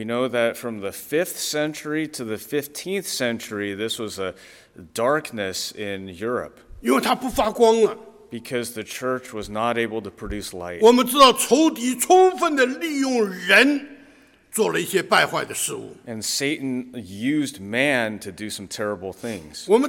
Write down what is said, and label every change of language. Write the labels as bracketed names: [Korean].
[English] know that from the 5th century to the 15th century, this was a darkness in Europe. [Chinese] 因为它不发光了。 [English] Because the church was not able to produce light. [Chinese] 我们知道仇敌充分地利用人 [English] And Satan used man to do some terrible things.